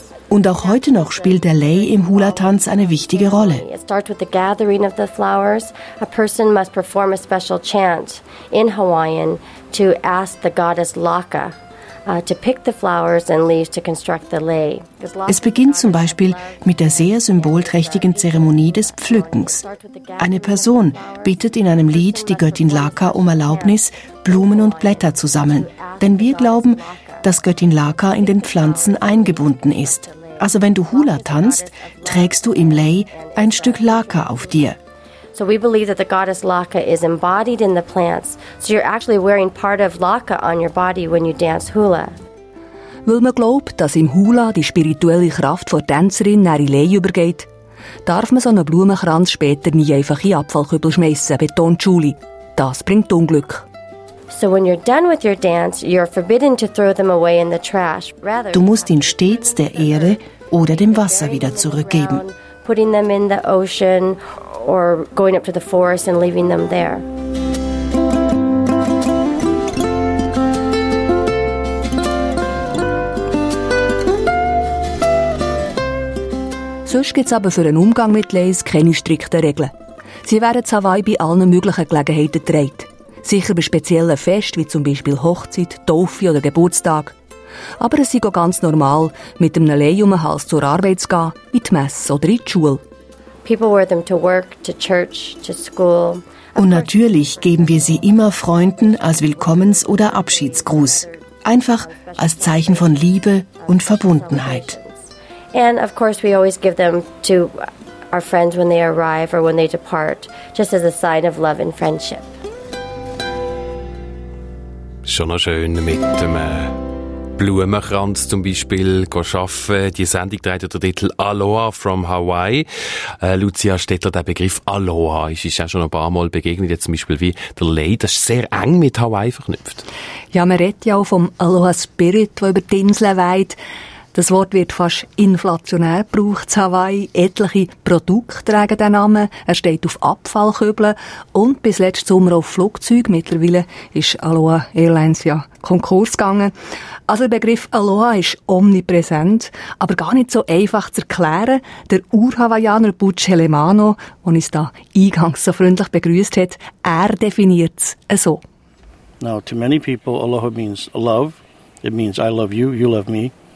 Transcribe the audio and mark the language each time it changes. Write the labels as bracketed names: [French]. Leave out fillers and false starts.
[German] Und auch heute noch spielt der Lei im Hula-Tanz eine wichtige Rolle. [English] It starts with the gathering of the flowers. A person must perform a special chant in Hawaiian to ask the goddess Laka to pick the flowers and leaves to construct the lei. [German] Es beginnt zum Beispiel mit der sehr symbolträchtigen Zeremonie des Pflückens. Eine Person bittet in einem Lied die Göttin Laka um Erlaubnis, Blumen und Blätter zu sammeln. Denn wir glauben, dass Göttin Laka in den Pflanzen eingebunden ist. Also wenn du Hula tanzt, trägst du im Lei ein Stück Laka auf dir. [English] So we believe that the goddess Laka is embodied in the plants. So you're actually wearing part of Laka on your body when you dance hula. [German] Weil man glaubt, dass im Hula die spirituelle Kraft von Tänzerin nach in Lei übergeht, darf man so einen Blumenkranz später nie einfach in Abfallkübel schmeissen, betont Julie. Das bringt Unglück. [English] So when you're done with your dance, you're forbidden to throw them away in the trash. Rather, [German] du musst ihn stets der Erde oder dem Wasser wieder zurückgeben. [English] Putting them in the ocean or going up to the forest and leaving them there. [German] Sonst gibt's aber für einen Umgang mit Leis keine strikten Regeln. Sie werden zu Hawaii bei allen möglichen Gelegenheiten getragen. Sicher bei speziellen Festen, wie zum Beispiel Hochzeit, Taufe oder Geburtstag. Aber es sei auch ganz normal, mit einem Lei um den Hals zur Arbeit zu gehen, in die Messe oder in die Schule. [English] People wear them to work, to church, to school. [German] Und natürlich geben wir sie immer Freunden als Willkommens- oder Abschiedsgruß. Einfach als Zeichen von Liebe und Verbundenheit. [English] And of course we always give them to our friends when they arrive or when they depart, just as a sign of love and friendship. [German] Schon noch schön mit dem Blumenkranz zum Beispiel arbeiten. Die Sendung trägt den Titel Aloha from Hawaii. Lucia Stettler, der Begriff Aloha ist auch schon ein paar Mal begegnet. Jetzt zum Beispiel wie der Lei, das ist sehr eng mit Hawaii verknüpft. Ja, man redet ja auch vom Aloha Spirit, der über die Insel weht. Das Wort wird fast inflationär gebraucht in Hawaii. Etliche Produkte tragen den Namen. Er steht auf Abfallköbeln und bis letzten Sommer auf Flugzeugen. Mittlerweile ist Aloha Airlines ja Konkurs gegangen. Also der Begriff Aloha ist omnipräsent, aber gar nicht so einfach zu erklären. Der Ur-Hawaiianer Butch Helemano, der uns da eingangs so freundlich begrüßt hat, er definiert es so. [English] Now, to many people, Aloha means love. It means I love you, you love me.